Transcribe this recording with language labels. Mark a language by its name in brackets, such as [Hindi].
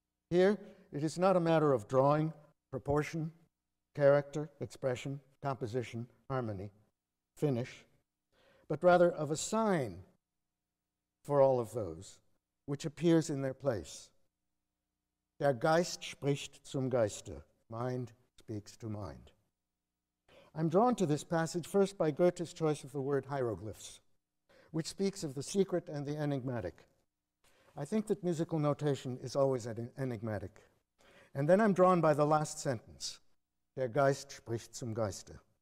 [English] Here, it is not a matter of drawing, proportion, character, expression, composition, harmony, finish, but rather of a sign for all of those which appears in their place. [German] Der Geist spricht zum Geiste, [English] mind speaks to mind. I'm drawn to this passage first by Goethe's choice of the word hieroglyphs, which speaks of the secret and the enigmatic. I think that musical notation is always enigmatic. And then I'm drawn by the last sentence, [German] der Geist spricht zum Geiste.